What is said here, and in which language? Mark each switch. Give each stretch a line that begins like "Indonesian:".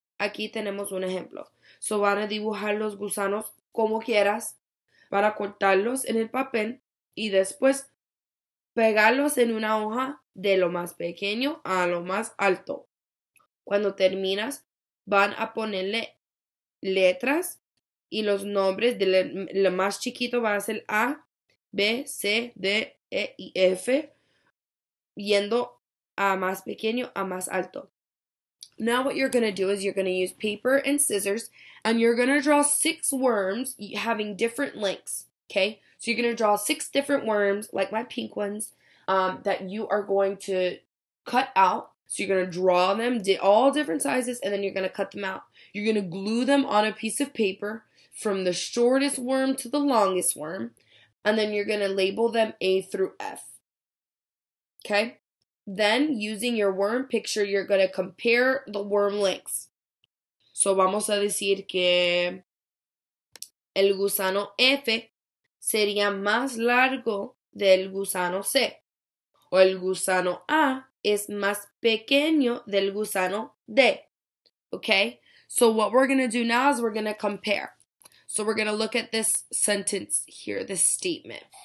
Spanish: Aquí tenemos un ejemplo.
English: So
Spanish: van a dibujar los gusanos como quieras para cortarlos en el papel y después pegarlos en una hoja de lo más pequeño a lo más alto. Cuando terminas, van a ponerle letras y los nombres de lo más chiquito va a ser A, B, C, D, E y F. Yendo a más pequeño, a más alto.
English: Now what you're going to do is you're going to use paper and scissors and you're going to draw six worms having different lengths, okay? So you're going to draw six different worms, like my pink ones, that you are going to cut out. So you're going to draw them all different sizes and then you're going to cut them out. You're going to glue them on a piece of paper from the shortest worm to the longest worm and then you're going to label them A through F. Okay, then using your worm picture, you're going to compare the worm lengths. So
Spanish: vamos a decir que el gusano F sería más largo del gusano C. O el gusano A es más pequeño del gusano D.
English: Okay, so what we're going to do now is we're going to compare. So we're going to look at this sentence here, this statement.